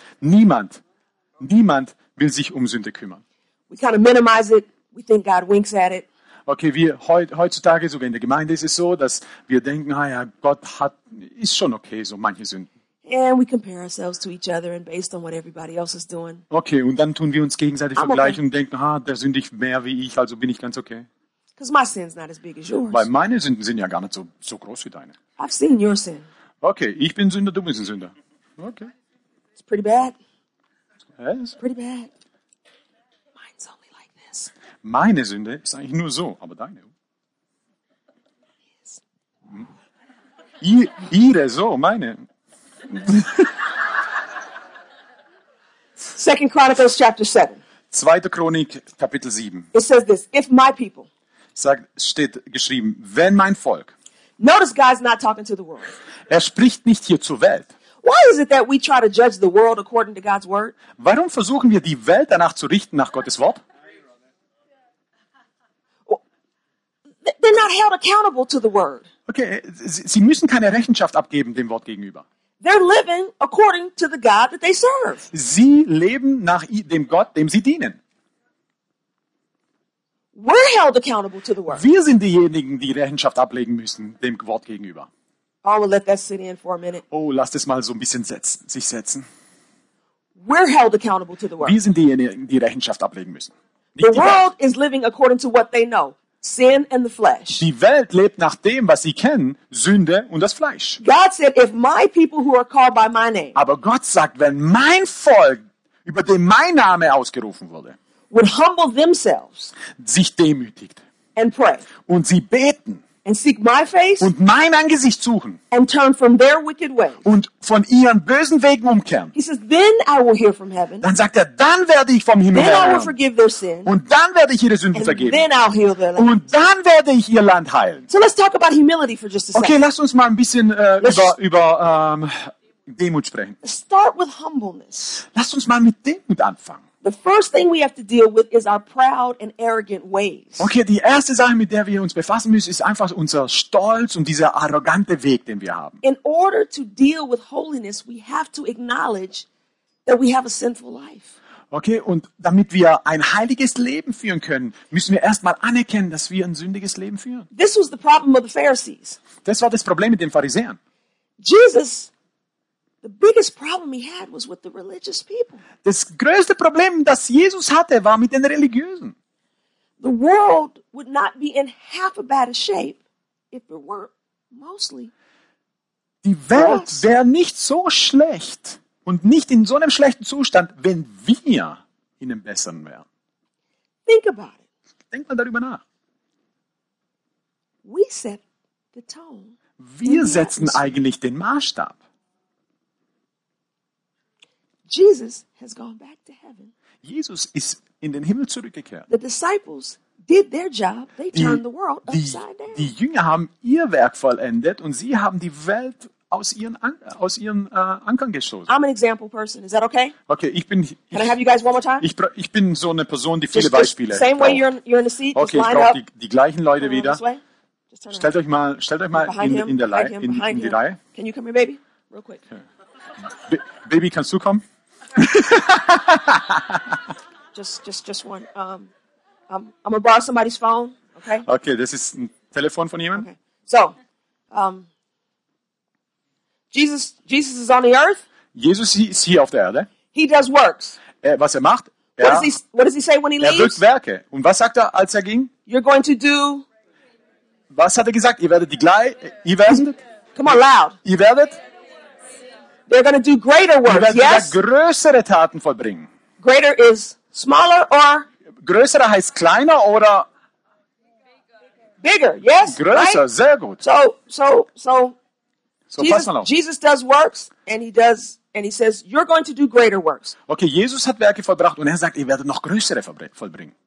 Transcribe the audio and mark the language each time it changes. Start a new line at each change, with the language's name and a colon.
German: Niemand will sich um Sünde kümmern.
English: We kind of minimize it, we think God winks at it.
German: Okay, wir heutzutage sogar in der Gemeinde ist es so, dass wir denken, Gott ist schon okay so manche Sünden.
English: And we compare ourselves to each other and based on what everybody else is doing.
German: Okay, und dann tun wir uns gegenseitig vergleichen und denken, der sündigt mehr wie ich, also bin ich ganz okay.
English: Because my sin's not as big as yours.
German: Weil meine Sünden sind ja gar nicht so groß wie deine.
English: I've seen your sin.
German: Okay, ich bin Sünder, du bist ein Sünder.
English: Okay. It's pretty bad. Yes. Pretty bad. Mine's only like this.
German: Meine Sünde ist eigentlich nur so, aber deine.
English: Yes.
German: Ihre so, meine.
English: 2 Chronicles chapter 7.
German: 2. Chronik Kapitel 7.
English: It says this, if my people.
German: Steht geschrieben, wenn mein Volk.
English: Notice God's not talking to the world.
German: Er spricht nicht hier zur Welt.
English: Why is it that we try to judge the world according to God's word?
German: Warum versuchen wir die Welt danach zu richten nach Gottes Wort?
English: Well, they're not held accountable to the word.
German: Okay, sie müssen keine Rechenschaft abgeben dem Wort gegenüber.
English: They're living according to the God that they serve.
German: Sie leben nach dem Gott, dem sie dienen.
English: We're held accountable to the word.
German: Wir sind diejenigen, die Rechenschaft ablegen müssen dem Wort gegenüber.
English: Paul will let that sit in for a minute.
German: Oh, lass das mal so ein bisschen sich setzen.
English: We're held accountable to the world.
German: Wir sind diejenigen, die Rechenschaft ablegen müssen.
English: The world is living according to what they know. Sin and the flesh.
German: Die Welt lebt nach dem, was sie kennen, Sünde und das Fleisch.
English: God said, if my people who are called by my name.
German: Aber Gott sagt, wenn mein Volk, über den mein Name ausgerufen wurde,
English: would humble themselves.
German: Sich demütigt.
English: And pray.
German: Und sie beten.
English: And seek my face,
German: und mein Angesicht suchen,
English: and turn from their wicked ways,
German: und von ihren bösen Wegen umkehren.
English: He says, then I will hear from heaven,
German: dann sagt er, dann werde ich vom Himmel
English: then
German: hören,
English: I will forgive their sin,
German: und dann werde ich ihre Sünden
English: and
German: vergeben,
English: then I'll heal their land.
German: Und dann werde ich ihr Land heilen.
English: So let's talk about humility for just a second.
German: Okay, lass uns mal ein bisschen über Demut sprechen.
English: Start with humbleness.
German: Lass uns mal mit Demut anfangen.
English: The first thing we have to deal with is our proud and arrogant ways.
German: Okay, die erste Sache, mit der wir uns befassen müssen, ist einfach unser Stolz und dieser arrogante Weg, den wir haben.
English: In order to deal with holiness, we have to acknowledge that we have a sinful life.
German: Okay, und damit wir ein heiliges Leben führen können, müssen wir erstmal anerkennen, dass wir ein sündiges Leben führen.
English: This was the problem of the Pharisees.
German: Das war das Problem mit den Pharisäern.
English: Jesus, the biggest problem he had was with the religious people.
German: Das größte Problem, das Jesus hatte, war mit den Religiösen.
English: The world would not be in half a bad a shape if it weren't mostly.
German: Die Welt wäre nicht so schlecht und nicht in so einem schlechten Zustand, wenn wir in einem besseren wären.
English: Think about it.
German: Denk mal darüber nach.
English: We set the tone.
German: Wir setzen eigentlich den Maßstab.
English: Jesus has gone back to heaven.
German: Jesus ist in den Himmel zurückgekehrt.
English: The disciples did their job. They turned the world upside down.
German: Die Jünger haben ihr Werk vollendet und sie haben die Welt aus ihren Ankern gestoßen.
English: I'm an example person. Is that okay?
German: Okay, ich bin.
English: Can I have you guys one more time?
German: Ich bin so eine Person, die viele Beispiele.
English: Just same way you're in the seat. Okay, just line
German: ich
English: up.
German: Die gleichen Leute wieder. Stellt euch mal in die Reihe.
English: Can you come here, baby? Real quick.
German: Baby, kannst du kommen?
English: just one. I'm gonna borrow somebody's phone. Okay.
German: Okay, das ist ein Telefon von jemandem.
English: Okay. So, Jesus is on the earth.
German: Jesus ist hier auf der Erde.
English: He does works.
German: Was er macht?
English: What does he say when he leaves?
German: Er wirkt Werke. Und was sagt er, als er ging?
English: You're going to do.
German: Was hat er gesagt? Ihr werdet die gleiche. Ihr werdet.
English: Come on, loud.
German: Ihr werdet.
English: They're going to do greater works. Yes.
German: Werden größere Taten vollbringen.
English: Greater is smaller or.
German: Größere heißt kleiner oder.
English: Bigger. Yes.
German: Größer.
English: Right?
German: Sehr gut.
English: So Jesus does works and he does and he says you're going to do greater works.
German: Okay, Jesus hat Werke vollbracht und er sagt, ihr werdet noch größere vollbringen.